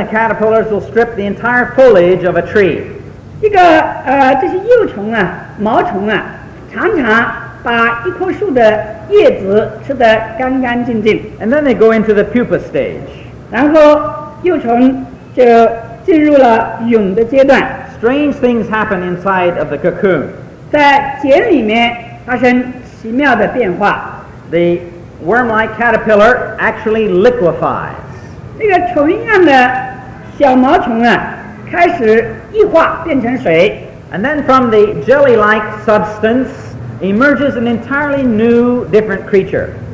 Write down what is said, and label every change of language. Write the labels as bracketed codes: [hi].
[en] a caterpillar will strip the entire foliage of a tree. [zh] 这些幼虫啊，毛虫啊，常常把一棵树的叶子吃得干干净净。And [en] then they go into the pupa stage. [zh] 然后幼虫就进入了蛹的阶段。Strange [en] things happen inside of the cocoon. [zh] 在茧里面发生奇妙的变化。The [en] worm-like caterpillar actually liquefies. [zh] 那个虫一样的小毛虫啊，开始液化变成水。 [en] And then from the jelly-like substance emerges an entirely new, different creature.